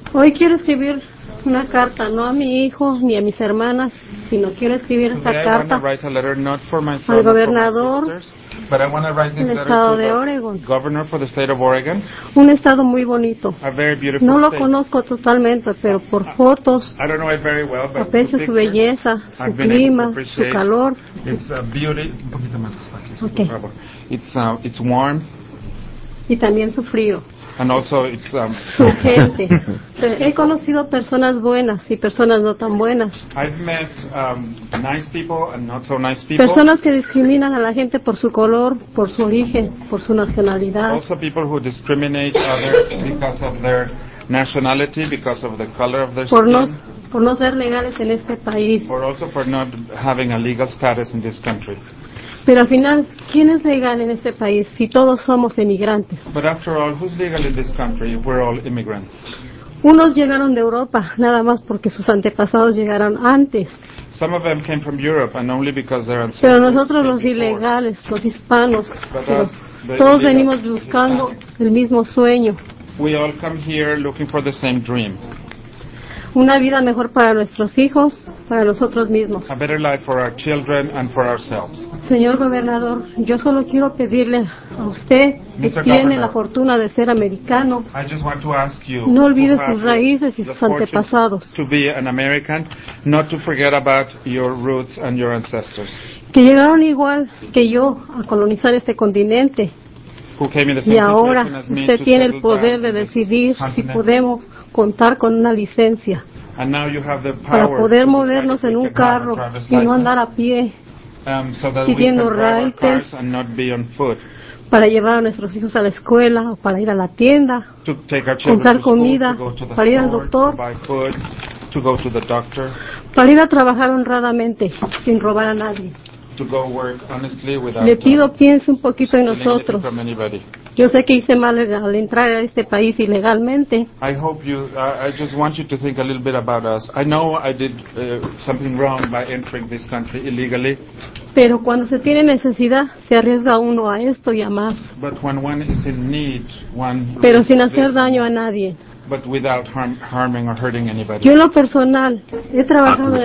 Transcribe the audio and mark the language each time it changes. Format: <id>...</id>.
<es>Hoy quiero escribir una carta, no a mi hijo ni a mis hermanas, sino quiero escribir esta carta.</es> <en>I want to write a letter not for my son,</en> <es>al gobernador,</es> <en>but I want to write this letter to the governor for the state of Oregon.</en> <es>Un estado muy bonito.</es> <en>A very beautiful</en> <es>No lo conozco totalmente, pero por fotos.</es> <en>I don't know it very well, but</en> <es>aprecio su belleza, su clima, su calor.</es> <en>It's a beauty.</en> <es>Un poquito más despacio, okay. Por favor.</es> <en>It's warm.</en> <es>Y también su frío.</es> <en>And also it's</en> <es>su gente. He conocido personas buenas y personas no tan buenas.</es> <en>I've met nice people and not so nice people.</en> <es>Personas que discriminan a la gente por su color, por su origen, por su nacionalidad.</es> <en>Also people who discriminate others because of their nationality, because of the color of their skin.</en> <es>Por no ser legales en este país.</es> <en>Or also for not having a legal status in this country.</en> <es>Pero al final, ¿quién es legal en este país si todos somos emigrantes?</es> <en>But after all, who's legal in this country if we're all immigrants?</en> <es>Unos llegaron de Europa, nada más porque sus antepasados llegaron antes.</es> <en>Some of them came from Europe and only because their ancestors.</en> <es>Pero nosotros los ilegales, los hispanos, todos venimos buscando el mismo sueño.</es> <en>We all come here looking for the same dream.</en> <es>Una vida mejor para nuestros hijos, para nosotros mismos.</es> <en>A better life for our children and for ourselves.</en> <es>Señor gobernador, yo solo quiero pedirle a usted, que tiene la fortuna de ser americano,</es> <en>I just want to ask you,</en> <es>no olvide sus raíces y sus antepasados.</es> <en>To be an American, not to forget about your roots and your ancestors.</en> <es>Que llegaron igual que yo a colonizar este continente.</es> <en>Who came in the same</en> <es>y ahora</es> <en>situation as</en> <es>usted</es> <en>me</en> <es>tiene el poder de decidir si podemos contar con una licencia para poder movernos en un carro y no andar a pie pidiendo raites para llevar a nuestros hijos a la escuela o para ir a la tienda comprar comida para ir al doctor para ir a trabajar honradamente sin robar a nadie.</es> <en>To go work honestly without,</en> <es>le pido piense un poquito en nosotros. Yo sé que hice mal al entrar a este país ilegalmente.</es> <en>I hope you. I just want you to think a little bit about us. I know I did something wrong by entering this country illegally.</en> <es>Pero cuando se tiene necesidad, se arriesga uno a esto y a más.</es> <en>But when one is in need, one.</en> <es>Pero sin hacer daño a nadie.</es> <en>But without harming or hurting anybody.</en> <es>Yo en lo personal he trabajado en el campo.</es>